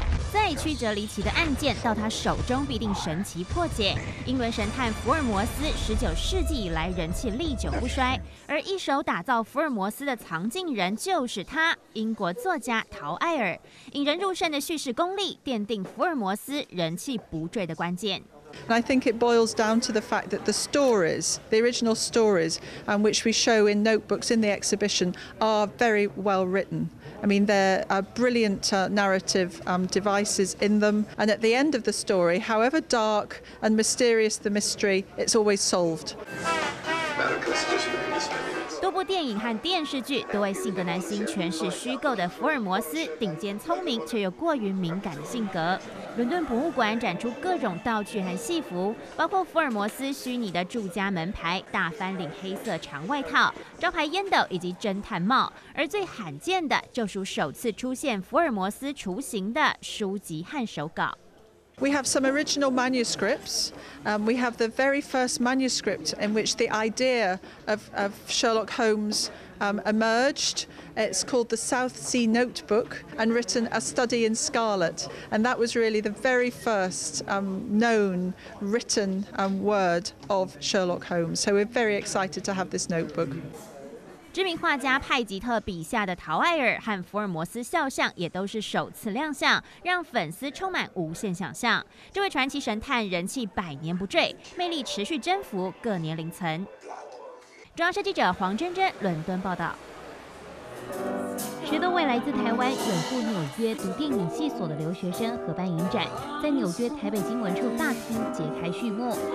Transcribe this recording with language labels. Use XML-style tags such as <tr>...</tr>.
<zh>再曲折离奇的案件到他手中必定神奇破解。英伦神探福尔摩斯19世纪以来人气历久不衰，而一手打造福尔摩斯的藏镜人就是他，英国作家陶艾尔。引人入胜的叙事功力奠定福尔摩斯人气不坠的关键。</zh> <en>And I think it boils down to the fact that the stories, the original stories, and which we show in notebooks in the exhibition, are very well written. I mean, there are brilliant narrative devices in them. And at the end of the story, however dark and mysterious the mystery, it's always solved. America's just been mystery.</en> <zh>多部电影和电视剧都为性格男星诠释虚构的福尔摩斯顶尖聪明却又过于敏感的性格。伦敦博物馆展出各种道具和戏服，包括福尔摩斯虚拟的住家门牌、大翻领黑色长外套、招牌烟斗以及侦探帽，而最罕见的就属首次出现福尔摩斯雏形的书籍和手稿。</zh> <en>We have some original manuscripts. We have the very first manuscript in which the idea of Sherlock Holmes emerged. It's called the South Sea Notebook and written A Study in Scarlet. And that was really the very first known written word of Sherlock Holmes. So we're very excited to have this notebook.</en> <zh>知名画家派吉特笔下的陶艾尔和福尔摩斯肖像也都是首次亮相，让粉丝充满无限想象。这位传奇神探人气百年不坠，魅力持续征服各年龄层。中央社记者黄珍珍伦敦报道。石东伟来自台湾，远赴纽约读电影系所的留学生合办影展，在纽约台北新闻处大厅揭开序幕。</zh>